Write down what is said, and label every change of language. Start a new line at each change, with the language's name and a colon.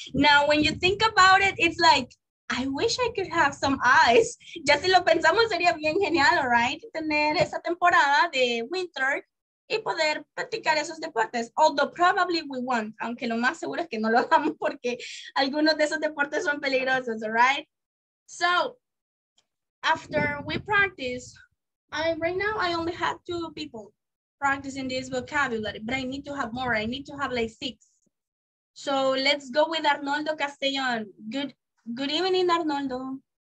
English: Now, when you think about it, it's like, I wish I could have some eyes.
Spanish: Ya si lo pensamos, sería bien genial, right? Tener esa temporada de winter y poder practicar esos deportes,
English: although probably we won't,
Spanish: aunque lo más seguro es que no lo hagamos porque algunos de esos deportes son peligrosos, right?
English: So, after we practice, right now I only have two people practicing this vocabulary, but I need to have more, I need to have like six. So, let's go with Arnoldo Castellón. Good evening, Arnoldo.